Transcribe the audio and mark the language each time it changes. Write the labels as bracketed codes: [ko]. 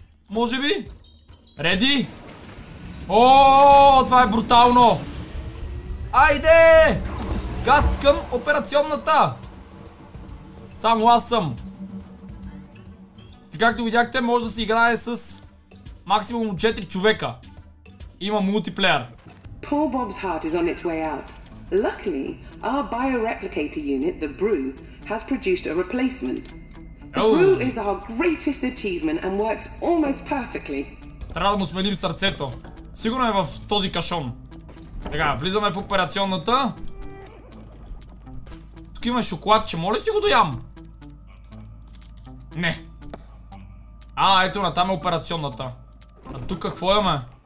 [bg] Може би. Реди. О, това е брутално! Айде! Газ към операционната! Само аз съм. И както видяхте, може да си играе с максимум 4 човека. Има мултиплеер. [en] Poor Bob's heart is on its way out. Luckily, our bioreplicator unit, the Brew, has produced a replacement. The Brew is our greatest achievement and works almost perfectly. [bg] Трябва да му сменим сърцето. Сигурно е в този кашон. Тега, влизаме в операционната. Тук има шоколадче, моля си го доям? Не. А, ето на там е операционната. А тук какво имаме?